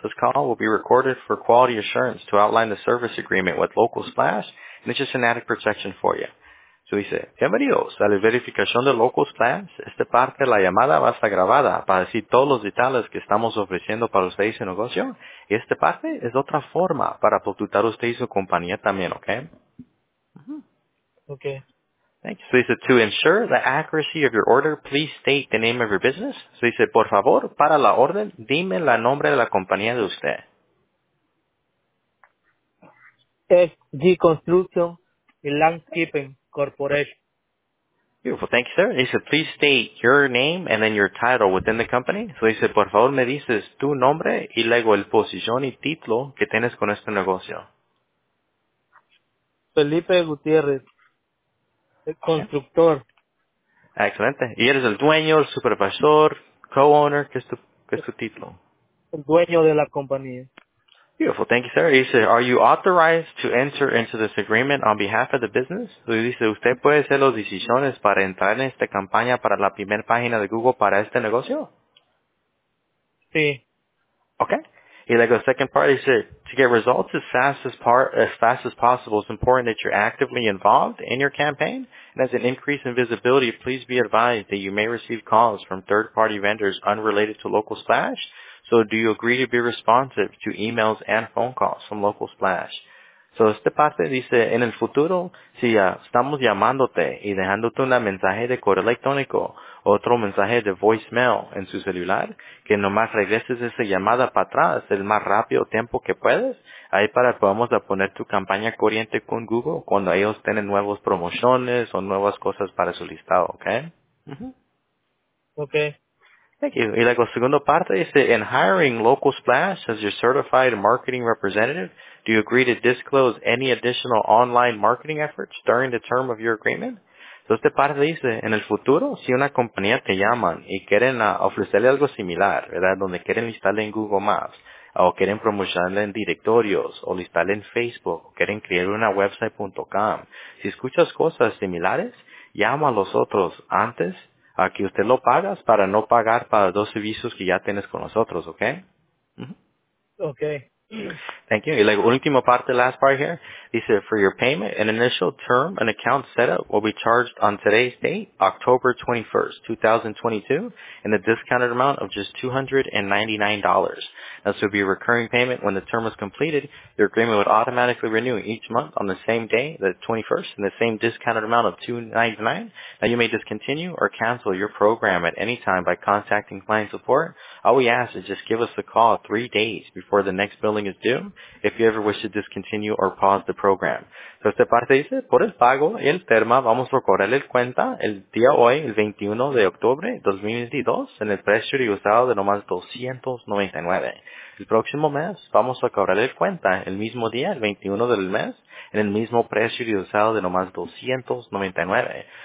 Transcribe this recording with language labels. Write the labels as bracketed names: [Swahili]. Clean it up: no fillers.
[English] This call will be recorded for quality assurance to outline the service agreement with Local Splash, and it's just an added protection for you. [Spanish] So dice, bienvenidos a la verificación de Local Splash. Esta parte de la llamada va a estar grabada para decir todos los detalles que estamos ofreciendo para usted y su negocio. Y esta parte es otra forma para protutar usted y su compañía también, ¿ok? [English] Okay. Thank you. So he said, to ensure the accuracy of your order, please state the name of your business. So he said, [Spanish] por favor, para la orden, dime la nombre de la compañía de usted. [English] SG Construction and Landscaping Corporation. Beautiful. Thank you, sir. He said, please state your name and then your title within the company. So he said, [Spanish] por favor, me dices tu nombre y luego el posición y título que tienes con este negocio. Felipe Gutiérrez. El constructor. Excelente. ¿Y eres el dueño, el supervisor, co-owner? ¿Qué es tu título? El dueño de la compañía. [English] Beautiful. Thank you, sir. He said, are you authorized to enter into this agreement on behalf of the business? So he [Spanish] dice, ¿usted puede hacer las decisiones para entrar en esta campaña para la primera página de Google para este negocio? Sí. [English] Okay. [Spanish] Y luego, [English] second part, he said, to get results as fast as possible, it's important that you're actively involved in your campaign. And as an increase in visibility, please be advised that you may receive calls from third-party vendors unrelated to Local Splash. So do you agree to be responsive to emails and phone calls from Local Splash? [Spanish] So esta parte dice, en el futuro, si estamos llamándote y dejándote un mensaje de correo electrónico, otro mensaje de voicemail en su celular, que nomás regreses esa llamada para atrás el más rápido tiempo que puedes, ahí para podamos poner tu campaña corriente con Google cuando ellos tienen nuevas promociones o nuevas cosas para su listado, ¿ok? [English] Okay. Thank you. [Spanish] Y luego, segunda parte dice, [English] in hiring Local Splash as your certified marketing representative, do you agree to disclose any additional online marketing efforts during the term of your agreement? [Spanish] Entonces, esta parte dice, en el futuro, si una compañía te llaman y quieren ofrecerle algo similar, ¿verdad? Donde quieren listarle en Google Maps, o quieren promocionarle en directorios, o listarle en Facebook, o quieren crear una website.com. Si escuchas cosas similares, llama a los otros antes, a que usted lo pagas para no pagar para dos servicios que ya tienes con nosotros, ¿ok? [English] Okay. Thank you. [Spanish] Y la última parte, [English] last part here, [Spanish] dice, [English] for your payment, an initial term and account setup will be charged on today's date, October 21st, 2022, in the discounted amount of just $299. This will be a recurring payment. When the term is completed, your agreement would automatically renew each month on the same day, the 21st, in the same discounted amount of $299. Now, you may discontinue or cancel your program at any time by contacting client support. All we ask is just give us a call 3 days before the next billing is due if you ever wish to discontinue or pause the program. [Spanish] So, esta parte dice, por el pago y el termo, vamos a recorrer el cuenta el día hoy, el 21 de octubre 2022, en el precio de usado de nomás $299. El próximo mes, vamos a cobrar el cuenta el mismo día, el 21 del mes, en el mismo precio de usado de nomás $299.